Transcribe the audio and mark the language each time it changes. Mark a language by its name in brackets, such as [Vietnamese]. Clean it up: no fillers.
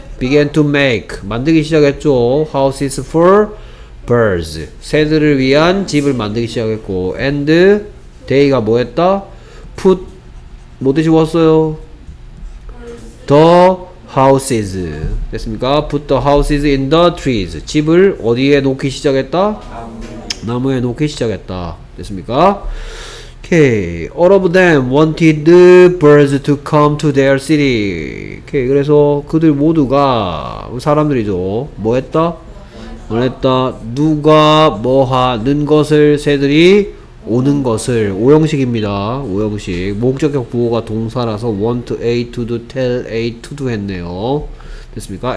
[English] Began to make [Korean] 만들기 시작했죠. [English] Houses for birds [Korean] 새들을 위한 집을 만들기 시작했고 [English] and they [Korean] 가 뭐 했다? Put 뭐 드시웠어요? [English] The houses [Korean] 됐습니까? [English] Put the houses in the trees. [Korean] 집을 어디에 놓기 시작했다? 나무에 놓기 시작했다. 됐습니까? OK. 오케이. [English] All of them wanted the birds to come to their city. [Korean] 오케이. 그래서 그들 모두가 사람들이죠. 뭐 했다? 원했다. 누가 뭐 하는 것을 새들이 오는 것을. 오형식입니다. 오형식. 목적격 부호가 동사라서 [English] want A to do, tell A to do [Korean] 했네요. 됐습니까?